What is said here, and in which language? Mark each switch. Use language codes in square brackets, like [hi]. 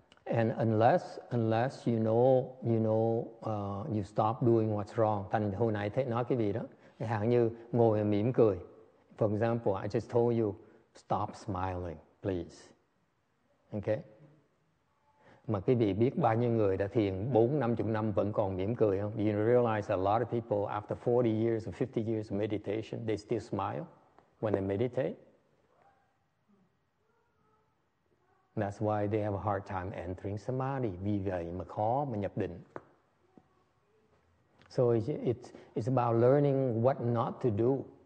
[en] And unless you stop doing what's wrong. [vi] Thành hồi nãy thầy nói cái gì đó. Hẳn như ngồi và mỉm cười. [en] For example, I just told you, stop smiling, please. Okay? [vi] Mà quý vị biết bao nhiêu người đã thiền 40-50 năm vẫn còn mỉm cười không? [en] You realize a lot of people after 40 years or 50 years of meditation, they still smile when they meditate. That's why they have a hard time entering samadhi. [vi] Vì vậy mà khó mà nhập định. [en] So it's about learning what not to do.